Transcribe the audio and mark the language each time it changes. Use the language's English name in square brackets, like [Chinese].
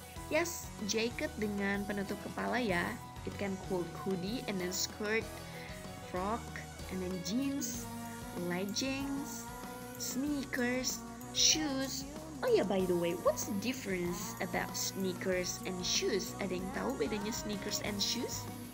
[Indonesian] Yes, jacket dengan penutup kepala ya. [English] It can called hoodie and then skirt, frock, and then jeans, leggings, sneakers, shoes. Oh yeah, by the way, what's the difference about sneakers and shoes? [Indonesian] Ada yang tahu bedanya sneakers and shoes?